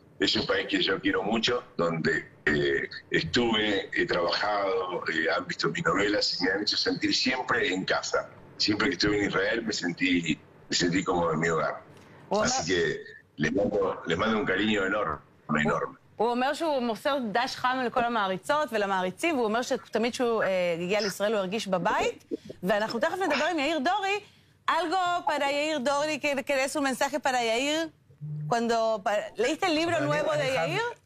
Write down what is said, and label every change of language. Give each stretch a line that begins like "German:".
Spanish: Es un país que yo quiero mucho, donde estuve, he trabajado, han visto mis novelas y me han hecho sentir siempre en casa. Siempre que estuve en Israel me sentí como en mi hogar. Hola. Así que les mando un cariño enorme, enorme.
Hebrew: הוא אומר שהוא מוסר דש חם לכל המעריצות ולמעריצים, והוא אומר שתמיד שהוא הגיע לישראל, הוא הרגיש בבית. ואנחנו תכף נדבר עם יאיר דורי.
Spanish: Algo para Yair Dori, que es un mensaje para Yair? Cuando... ¿Leíste el libro nuevo de Yair?